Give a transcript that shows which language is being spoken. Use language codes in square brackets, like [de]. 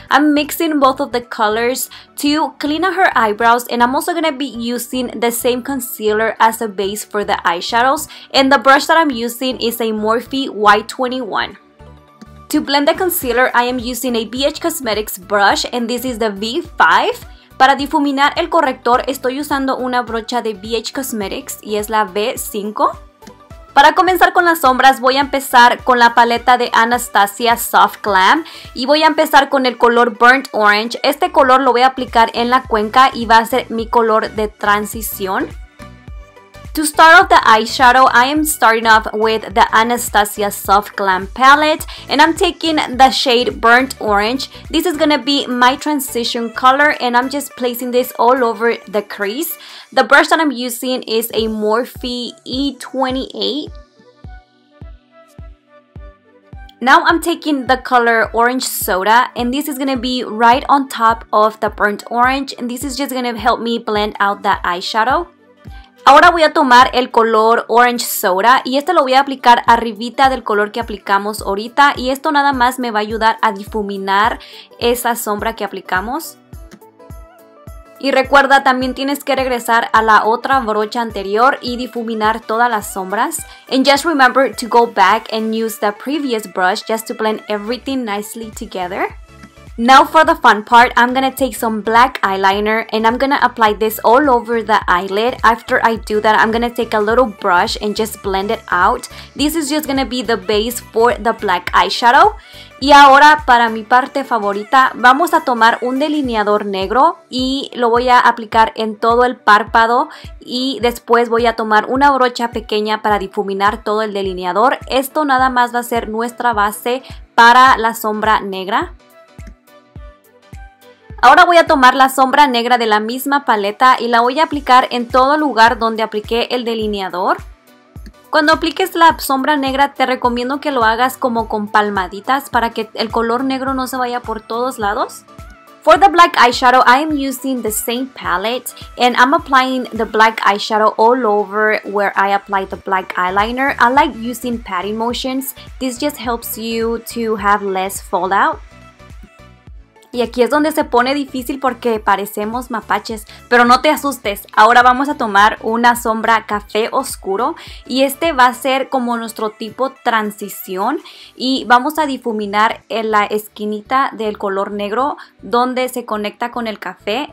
[en] I'm mixing both of the colors to clean up her eyebrows and I'm also going to be using the same concealer as a base for the eyeshadows. And the brush that I'm using is a Morphe Y21. To blend the concealer, I am using a BH Cosmetics brush, and this is the V5. [es] Para difuminar el corrector, estoy usando una brocha de BH Cosmetics, y es la V5. Para comenzar con las sombras, voy a empezar con la paleta de Anastasia Soft Glam, y voy a empezar con el color Burnt Orange. Este color lo voy a aplicar en la cuenca, y va a ser mi color de transición. [en] To start off the eyeshadow, I am starting off with the Anastasia Soft Glam palette and I'm taking the shade Burnt Orange. This is gonna be my transition color and I'm just placing this all over the crease. The brush that I'm using is a Morphe E28. Now I'm taking the color Orange Soda and this is gonna be right on top of the Burnt Orange and this is just gonna help me blend out the eyeshadow. [es] Ahora voy a tomar el color Orange Soda y este lo voy a aplicar arribita del color que aplicamos ahorita y esto nada más me va a ayudar a difuminar esa sombra que aplicamos. Y recuerda, también tienes que regresar a la otra brocha anterior y difuminar todas las sombras. [en] And just remember to go back and use the previous brush just to blend everything nicely together. Now for the fun part, I'm gonna take some black eyeliner and I'm gonna apply this all over the eyelid. After I do that, I'm gonna take a little brush and just blend it out. This is just gonna be the base for the black eyeshadow. [es] Y ahora, para mi parte favorita, vamos a tomar un delineador negro y lo voy a aplicar en todo el párpado y después voy a tomar una brocha pequeña para difuminar todo el delineador. Esto nada más va a ser nuestra base para la sombra negra. Ahora voy a tomar la sombra negra de la misma paleta y la voy a aplicar en todo lugar donde apliqué el delineador. Cuando apliques la sombra negra, te recomiendo que lo hagas como con palmaditas para que el color negro no se vaya por todos lados. [en] For the black eyeshadow, I am using the same palette and I'm applying the black eyeshadow all over where I apply the black eyeliner. I like using patting motions. This just helps you to have less fallout. [es] Y aquí es donde se pone difícil porque parecemos mapaches, pero no te asustes. Ahora vamos a tomar una sombra café oscuro y este va a ser como nuestro tipo transición y vamos a difuminar en la esquinita del color negro donde se conecta con el café.